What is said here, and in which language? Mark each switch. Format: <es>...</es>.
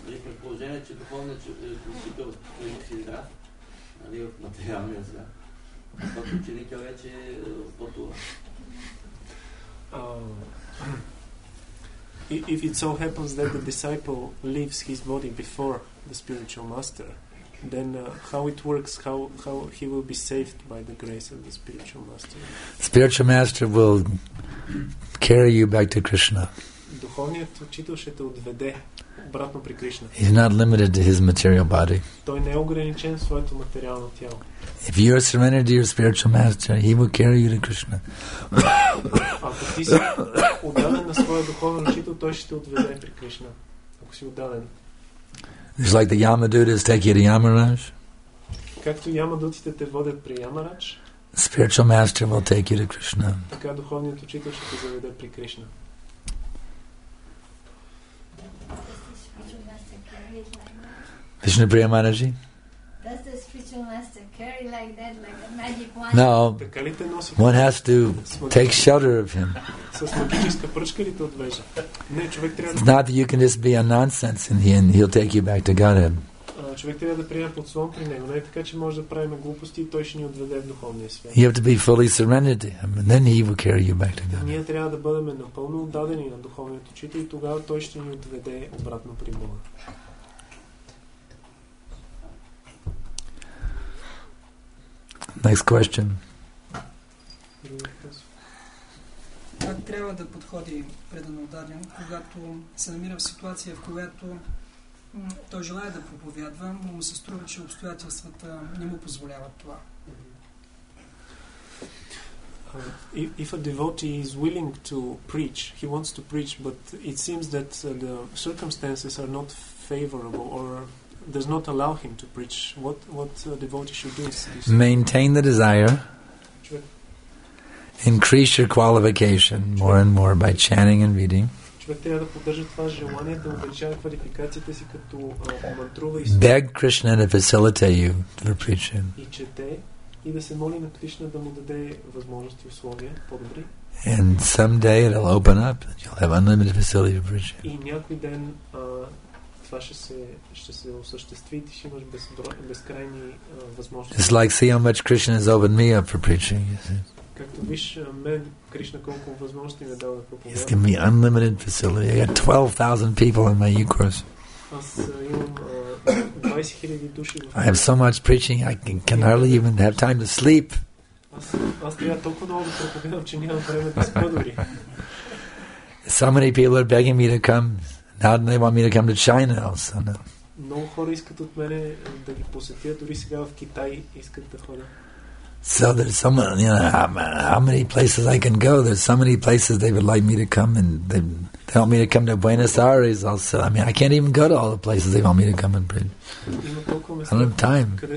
<bg>При предположение, че духовният учител е здрав, нали, в материалния свят, защото ученикът вече пътува.</bg> <en>If it so happens that the disciple leaves his body before the spiritual master, then how it works, how he will be saved by the grace of the spiritual master? Spiritual master will carry you back to Krishna.</en> <bg>духовният учител ще те отведе обратно при Кришна.</bg> <en>He's not limited to his material body.</en> <bg>Той не е ограничен в своето материално тяло.</bg> <en>If you are surrendered to your spiritual master, he will carry you to Krishna.</en> <bg>Ако ти си отдаден на своя духовен учител, той ще те отведе при Кришна. Ако си отдаден.</bg> <en>It's like the Yamadutas take you to Yamaraj.</en> <bg>Както Ямадутите те водят при Ямарадж.</bg> <en>Spiritual master will take you to Krishna.</en> <bg>Така духовният учител ще те заведе при Кришна.</bg> <en>Vishnu Priya Maharaji? Does the spiritual master carry like that, like a magic wand? No. One has to take shelter of him. It's not that you can just be a nonsense and he'll take you back to Godhead.</en> <bg>Човек трябва да приема под слон при него. Не е така, че може да правим глупости и той ще ни отведе в духовния свят.</bg> <en>You have to be fully surrendered to him and then he will carry you back to God.</en> <bg>Ние трябва да бъдем напълно отдадени на духовният учител и тогава той ще ни отведе обратно при Бога.</bg> <en>Next question.</en> <bg>Как трябва да подходи предан отдаден, когато се намира в ситуация, в която той желая да проповядва, но му се струва, че обстоятелствата не му позволяват това.</bg> <en>If a devotee is willing to preach, he wants to preach, but it seems that the circumstances are not favorable or does not allow him to preach, what a devotee should do is maintain the desire. Increase your qualification more and more by chanting and reading.</en> <bg>Човек трябва да поддържа това желание да увеличава квалификациите си като мантрува и слова.</bg> <en>Beg Krishna to facilitate you for preaching.</en> <bg>И чете и да се моли на Кришна да му даде възможности и условия по-добри.</bg> <en>And someday it'll open up and you'll have unlimited facility for preaching.</en> <bg>И някой ден това ще се осъществи и ти ще имаш безкрайни възможности.</bg> <en>It's like, see how much Krishna has opened me up for preaching, you see.</en> <bg>Както виж, мен Кришна колко възможности ми е дал да проповядам.</bg> <en>He's given me unlimited facility. I got 12,000 people in my e-course.</en> <bg>Аз имам 20,000 души.</bg> <en>I have so much preaching, I can hardly even have time to sleep.</en> <bg>Аз трябва толкова много да проповядам, че нямам време да спя дори.</bg> <en>So many people are begging me to come. Now they want me to come to China also.</en> <bg>Много хора искат от мене да ги посетя, дори сега в Китай искат да ходя.</bg> <en>So there's so many, you know, how many places I can go? There's so many places they would like me to come, and they want me to come to Buenos Aires also. I mean, I can't even go to all the places they want me to come and preach. I don't have time.</en>